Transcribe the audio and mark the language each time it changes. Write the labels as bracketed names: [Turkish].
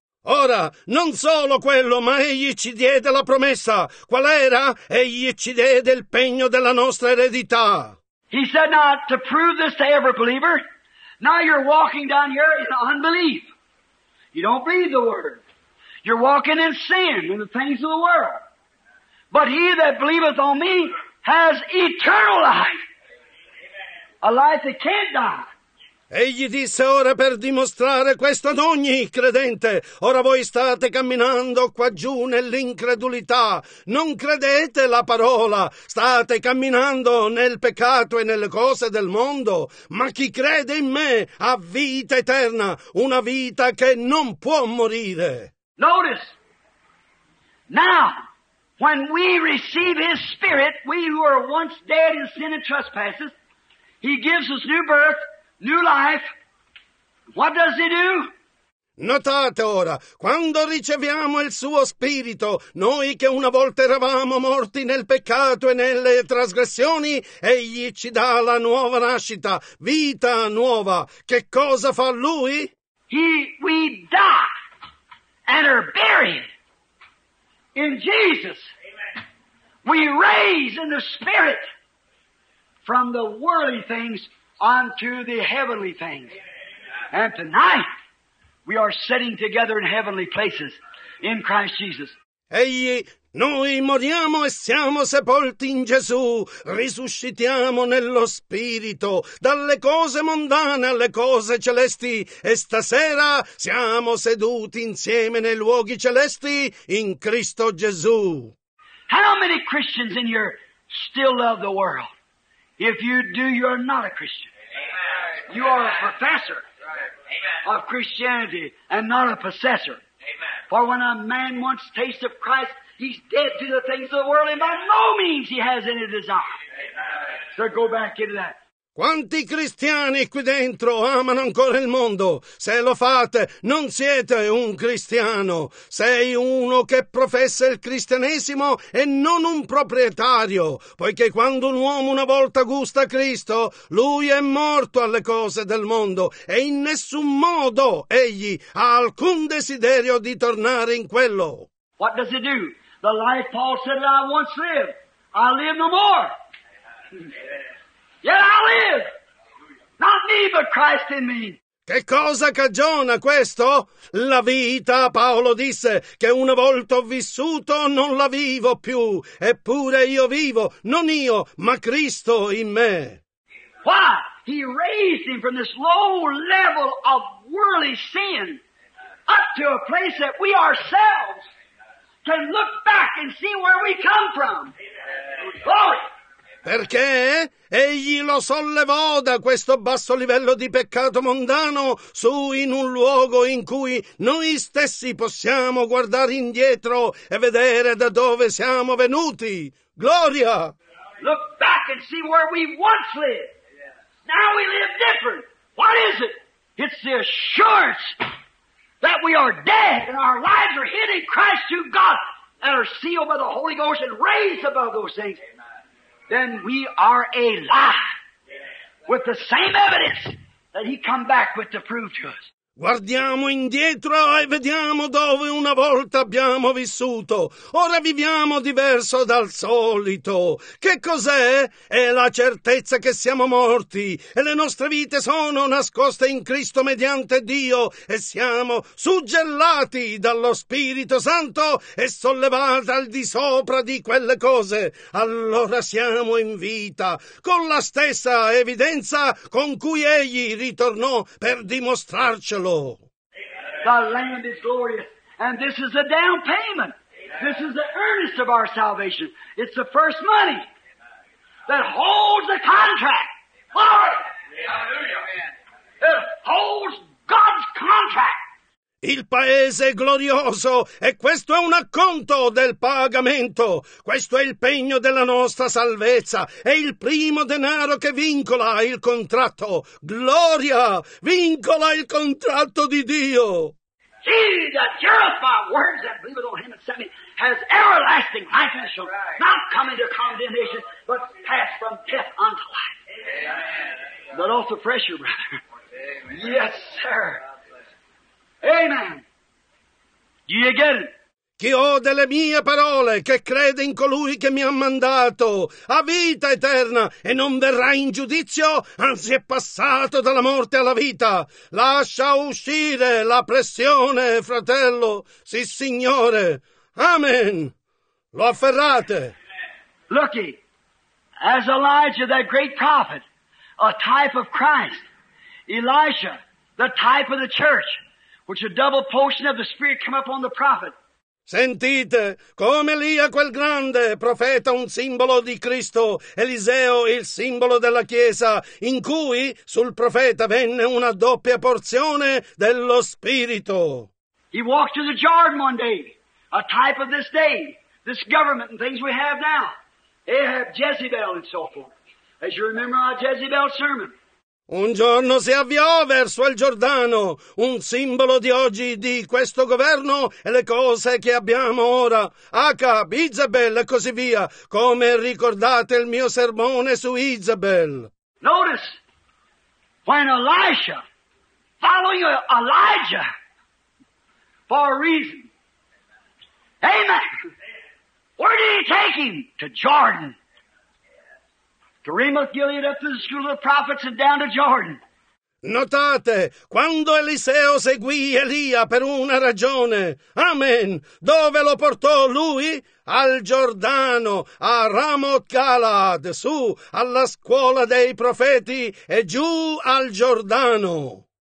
[Italian] Ora, non solo quello, ma egli ci diede la promessa. Qual era? Egli ci diede il pegno della nostra eredità. [English] He said, now, to prove this to every believer, now you're walking down here in unbelief. You don't believe the word. You're walking in sin and the things of the world. But he that believeth on me has eternal life. A life that can't die. [Italian] Egli disse, ora per dimostrare questo ad ogni credente, ora voi state camminando qua giù nell'incredulità, non credete la parola, state camminando nel peccato e nelle cose del mondo, ma chi crede in me ha vita eterna, una vita che non può morire. [English] Notice, now, when we receive his spirit, we who are once dead in sin and trespasses, he gives us new birth, new life. What does he do? [Italian] Notate ora, quando riceviamo il suo spirito, noi che una volta eravamo morti nel peccato e nelle trasgressioni, egli ci dà la nuova nascita, vita nuova. Che cosa fa lui? [English] We die and are buried in Jesus. Amen. We raise in the spirit from the worldly things unto the heavenly things. And tonight, we are sitting together in heavenly places in Christ Jesus. [Italian] Egli, noi moriamo e siamo sepolti in Gesù, risuscitiamo nello Spirito, dalle cose mondane alle cose celesti, e stasera siamo seduti insieme nei luoghi celesti in Cristo Gesù. [English] How many Christians in here still love the world? If you do, you are not a Christian. Amen. You are a professor. Right. Of Christianity and not a possessor. Amen. For when a man wants taste of Christ, he's dead to the things of the world, and by no means he has any desire. Amen. So go back into that. [Italian] Quanti cristiani qui dentro amano ancora il mondo? Se lo fate, non siete un cristiano. Sei uno che professa il cristianesimo e non un proprietario, poiché quando un uomo una volta gusta Cristo, lui è morto alle cose del mondo e in nessun modo egli ha alcun desiderio di tornare in quello. [English] What does he do? The life Paul said that I once lived, I live no more. Amen. Yet I live, not me, but Christ in me. [Italian] Che cosa cagiona questo? La vita, Paolo disse, che una volta ho vissuto non la vivo più. Eppure io vivo, non io, ma Cristo in me. [English] Why? He raised him from this low level of worldly sin up to a place that we ourselves can look back and see where we come from. Glory! [Italian] Perché egli lo sollevò da questo basso livello di peccato mondano su in un luogo in cui noi stessi possiamo guardare indietro e vedere da dove siamo venuti. Gloria! [English] Look back and see where we once lived. Now we live different. What is it? It's the assurance that we are dead and our lives are hid in Christ through God and are sealed by the Holy Ghost and raised above those things. Then we are alive with the same evidence that he come back with to prove to us. [Italian] Guardiamo indietro e vediamo dove una volta abbiamo vissuto. Ora viviamo diverso dal solito. Che cos'è? È la certezza che siamo morti e le nostre vite sono nascoste in Cristo mediante Dio e siamo suggellati dallo Spirito Santo e sollevati al di sopra di quelle cose. Allora siamo in vita con la stessa evidenza con cui Egli ritornò per dimostrarcelo. [English] The land is glorious, and this is a down payment. Amen. This is the earnest of our salvation. It's the first money that holds the contract. Glory! Hallelujah! It holds God's contract. [Italian] Il paese è glorioso e questo è un acconto del pagamento. Questo è il pegno della nostra salvezza. È il primo denaro che vincola il contratto. Gloria! Vincola il contratto di Dio! [English] Jesus, purify words that believeth on him and sent me has everlasting life and shall not come into condemnation, but pass from death unto life. Amen. But also fresh your brother. Amen. Yes, sir. Amen. Do you get it? [Italian] Chi ode le mie parole, che crede in colui che mi ha mandato, ha vita eterna e non verrà in giudizio, anzi è passato dalla morte alla vita. Lascia uscire la pressione, fratello. Sì, signore. Amen. Lo afferrate. [English] Looky, as Elijah, that great prophet, a type of Christ, Elisha, the type of the church, which a double portion of the Spirit come up on the prophet. [Italian] Sentite, come Elia, quel grande profeta, un simbolo di Cristo, Eliseo, il simbolo della Chiesa, in cui sul profeta venne una doppia porzione dello Spirito. [English] He walked to the Jordan one day, a type of this day, this government and things we have now. Ahab, Jezebel and so forth. As you remember our Jezebel sermon. [Italian] Un giorno si avviò verso il Giordano, un simbolo di oggi di questo governo e le cose che abbiamo ora. Acab, Izabel e così via, come ricordate il mio sermone su Izabel. [English] Notice, when Elisha, following Elijah, for a reason. Amen. Where did he take him? To Jordan. To Ramoth Gilead, up to the school of the prophets and down to Jordan. [Italian] Notate, quando Eliseo seguì Elia per una ragione. Amen. Dove lo portò lui? Al Giordano, a Ramoth Galaad, su alla scuola dei profeti e giù al Giordano.